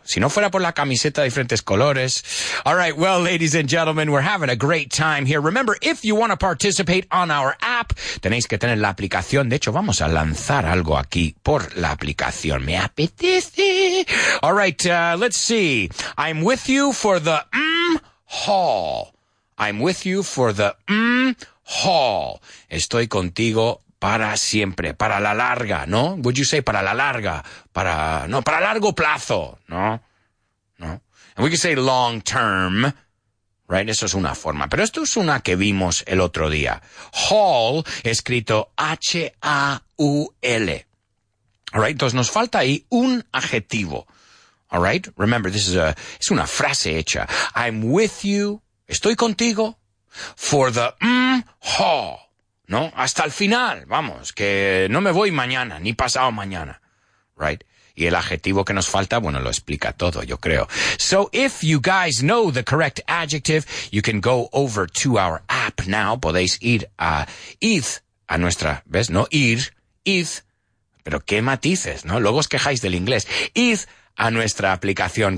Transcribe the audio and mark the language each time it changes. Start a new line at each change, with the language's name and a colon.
Spanish: Si no fuera por la camiseta de diferentes colores.
English: All right, well, ladies and gentlemen, we're having a great time here. Remember, if you want to participate on our app, tenéis que tener la aplicación.
Spanish: De hecho, vamos a lanzar algo aquí por la aplicación.
English: Me apetece. All right, let's see. I'm with you for the hall. I'm with you for the hall.
Spanish: Estoy contigo para siempre, para la larga, ¿no? Would you say para la larga? Para largo plazo, ¿no? ¿No?
English: And we could say long term, right? Eso es una forma.
Spanish: Pero esto es una que vimos el otro día. Hall, escrito H-A-U-L. All right? Entonces nos falta ahí un adjetivo. All right? Remember, this is a, es una frase hecha.
English: I'm with you, estoy contigo, for the hall.
Spanish: ¿No? Hasta el final, vamos, que no me voy mañana, ni pasado mañana, right? Y el adjetivo que nos falta, bueno, lo explica todo, yo creo.
English: So if you guys know the correct adjective, you can go over to our app now.
Spanish: Podéis ir a id, a nuestra, ¿ves? No ir, id. Pero qué matices, ¿no? Luego os quejáis del inglés. Id a nuestra aplicación.